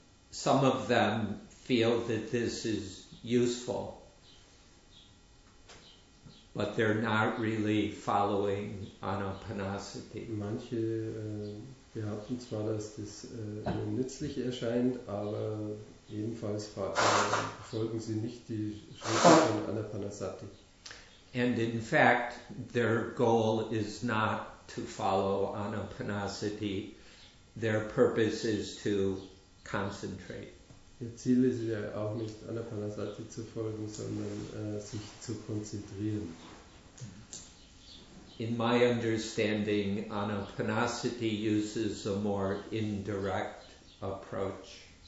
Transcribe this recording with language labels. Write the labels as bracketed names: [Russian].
[English] Some of them feel that this is useful, but they're not really following Anapanasati. [German] Manche behaupten zwar, dass das nützlich erscheint, aber jedenfalls folgen sie nicht die Schritte von Anapanasati. [English] And in fact, their goal is not to follow Anapanasati. Their purpose is to concentrate. [German] Ihr Ziel ist ja auch nicht, Anapanasati zu folgen, sondern sich zu konzentrieren. [English] In my understanding, Anapanasati uses a more indirect approach.